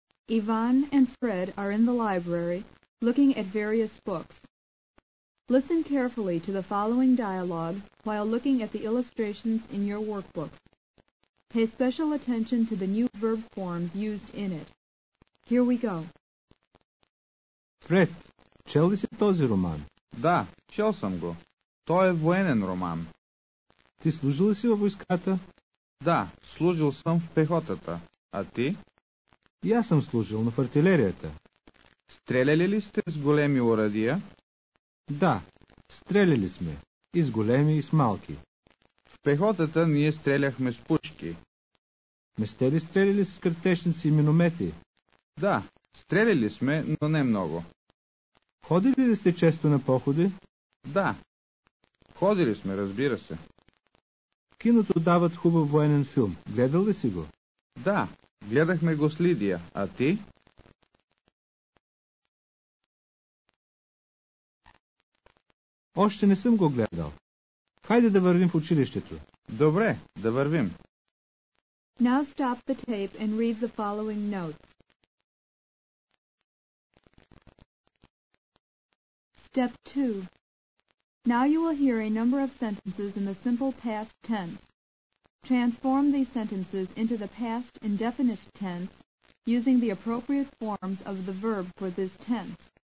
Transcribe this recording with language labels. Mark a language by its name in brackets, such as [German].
[English] Ivan and Fred are in the library, looking at various books. Listen carefully to the following dialogue while looking at the illustrations in your workbook. Pay special attention to the new verb forms used in it. Here we go. [Bulgarian] Fred, чел ли си този роман? Да, чел съм го. Той е военен роман. Ти служил ли си във войската? Да, служил съм в пехотата. А ти? И аз съм служил на артилерията. Стреляли ли сте с големи оръдия? Да, стреляли сме. И с големи, и с малки. В пехотата ние стреляхме с пушки. Не сте ли стреляли с картечници и миномети? Да, стреляли сме, но не много. Ходили ли сте често на походи? Да. Ходили сме, разбира се. В киното дават хубав военен филм. Гледал ли си го? Да. Гледахме го с Лидия. А ти? Още не съм го гледал. Хайде да вървим в училището. Добре, да вървим. [English] Now stop the tape and read the following notes. Step 2. Now you will hear a number of sentences in the simple past tense. Transform these sentences into the past indefinite tense using the appropriate forms of the verb for this tense.